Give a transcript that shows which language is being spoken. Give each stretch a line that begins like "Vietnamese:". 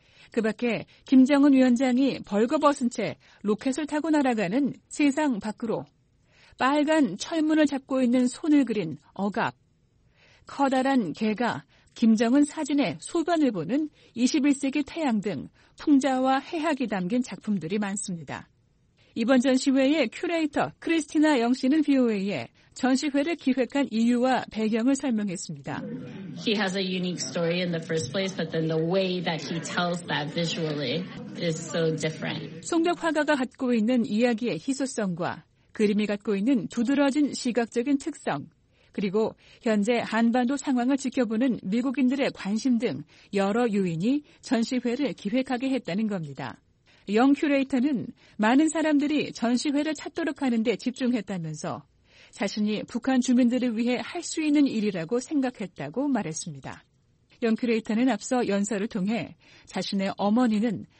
Korean: 그 밖에 김정은 위원장이 벌거벗은 채 로켓을 타고 날아가는 세상 밖으로 빨간 철문을 잡고 있는 손을 그린 억압, 커다란 개가 김정은 사진의 소변을 보는 21세기 태양 등 풍자와 해학이 담긴 작품들이 많습니다. 이번 전시회의 큐레이터 크리스티나 영 씨는 VOA에 전시회를 기획한 이유와 배경을 설명했습니다.
English: He has a unique story in the first place, but then the way that he tells that visually is so different.
Korean: 송벽 화가가 갖고 있는 이야기의 희소성과 그림이 갖고 있는 두드러진 시각적인 특성, 그리고 현재 한반도 상황을 지켜보는 미국인들의 관심 등 여러 요인이 전시회를 기획하게 했다는 겁니다. 영 큐레이터는 많은 사람들이 전시회를 찾도록 하는 데 집중했다면서 자신이 북한 주민들을 위해 할 수 있는 일이라고 생각했다고 말했습니다. 영 큐레이터는 앞서 연설을 통해 자신의 어머니는